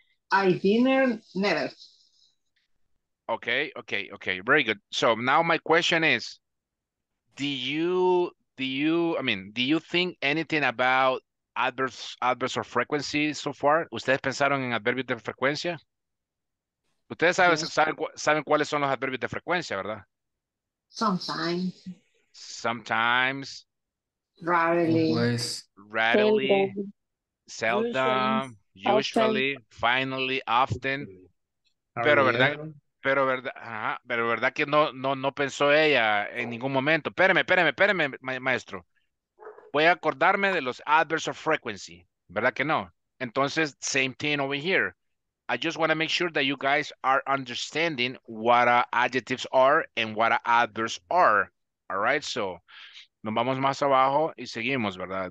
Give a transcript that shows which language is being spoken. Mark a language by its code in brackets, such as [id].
[en] I dinner never. Okay, okay, okay. Very good. So now my question is, do you think anything about adverbs of frequency so far? [es] ¿Ustedes pensaron en adverbios de frecuencia? Ustedes saben cuáles son los adverbios de frecuencia, ¿verdad? [en] Sometimes. Sometimes. Rarely. Always. Rarely. Seldom. Usually. Finally. Often. [es] Pero verdad que no pensó ella en ningún momento. Espéreme, maestro. Voy a acordarme de los adverbs of frequency. ¿Verdad que no? Entonces, same thing over here. [en] I just want to make sure that you guys are understanding what adjectives are and what adverbs are. [es] All right, so nos vamos más abajo y seguimos, ¿verdad?